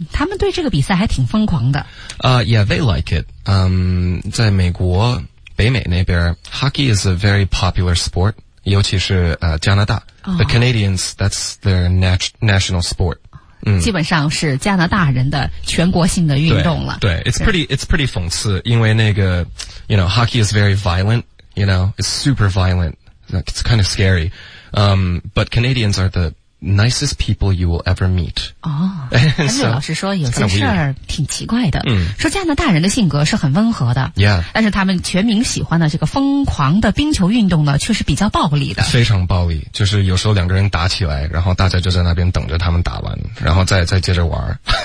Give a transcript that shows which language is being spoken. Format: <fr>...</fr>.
<zh>他们对这个比赛还挺疯狂的。</zh> <en>Yeah, they like it.</en> <zh>在美国北美那边</zh> <en>,hockey is a very popular sport,</en> <zh>尤其是加拿大。</zh> <en>The Canadians, that's their national sport.</en> <zh>基本上是加拿大人的全国性的运动了。</zh> <en>对 ,it's pretty</en> <zh>讽刺，因为那个</zh> <en>,you know, hockey is very violent, you know, it's super violent, it's kind of scary. But Canadians are the,nicest people you will ever meet.</en> <zh>哦，安瑞老师说有些事儿挺奇怪的。说加拿大人的性格是很温和的。</zh> <en>Yeah.</en> <zh>但是他们全民喜欢的这个疯狂的冰球运动呢，却是比较暴力的。非常暴力，就是有时候两个人打起来，然后大家就在那边等着他们打完，然后再接着玩。</zh>